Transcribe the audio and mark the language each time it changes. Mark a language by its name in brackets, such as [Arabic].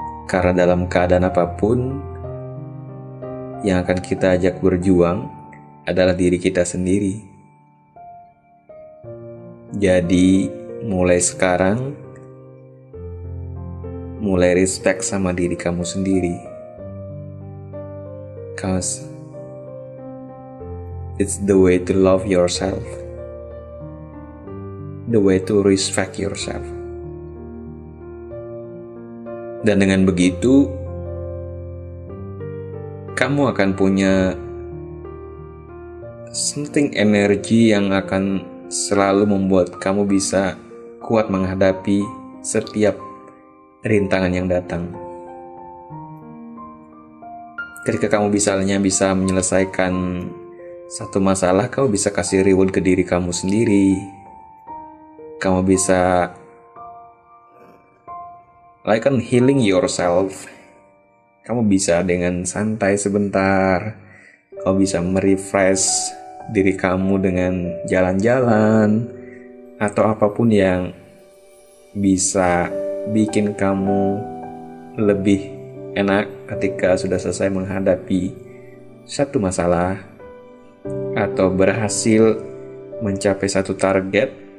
[Indonesian] Karena dalam keadaan apapun yang akan kita ajak berjuang adalah diri kita sendiri. Jadi mulai sekarang, mulai respect sama diri kamu sendiri. [English] Cause it's the way to love yourself, the way to respect yourself. [Indonesian] Dan dengan begitu, kamu akan punya [English] something energy [Indonesian] yang akan selalu membuat kamu bisa kuat menghadapi setiap rintangan yang datang. Ketika kamu misalnya bisa menyelesaikan satu masalah, kamu bisa kasih reward ke diri kamu sendiri. Kamu bisa [English] like healing yourself. [Indonesian] Kamu bisa dengan santai sebentar. Kamu bisa merefresh diri kamu dengan jalan-jalan atau apapun yang bisa bikin kamu lebih enak ketika sudah selesai menghadapi satu masalah atau berhasil mencapai satu target.